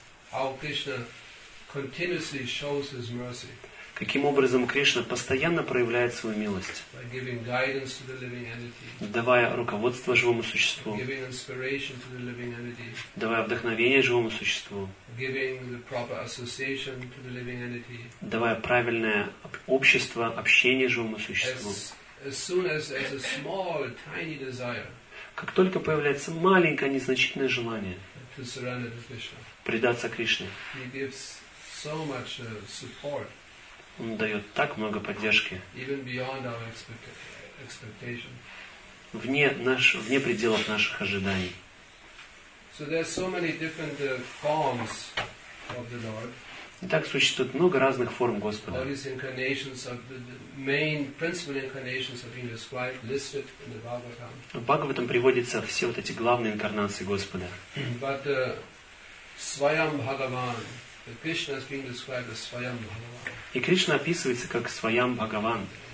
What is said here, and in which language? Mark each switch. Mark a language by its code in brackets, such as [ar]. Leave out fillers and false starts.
[en] How Krishna continuously shows his mercy. [ru] Каким образом Кришна постоянно проявляет свою милость. [en] By giving guidance to the living entity. [ru] Давая руководство живому существу. [en] Giving inspiration to the living entity. [ru] Давая вдохновение живому существу. [en] Giving the proper association to the living entity. [ru] Давая правильное общество, общение живому существу. [en] As soon as a small, tiny desire. [ru] Как только появляется маленькое, незначительное желание. [en] To surrender to Krishna. [ru] Предаться Кришне. [en] He gives so much support. [ru] Он дает так много поддержки. [en] Even beyond our expectation. [ru] Вне пределов наших ожиданий. [en] So there are so many different forms of the Lord. [ru] Итак, существует много разных форм Господа. [en] All these incarnations of the main principal incarnations have been described, listed in the Bhagavatam. [ru] В Бхагаватам приводятся все вот эти главные инкарнации Господа. [en] But Swayam Bhagavan, Krishna has been described as Swayam Bhagavan. [ru] И Кришна описывается как Свайам Бхагаван.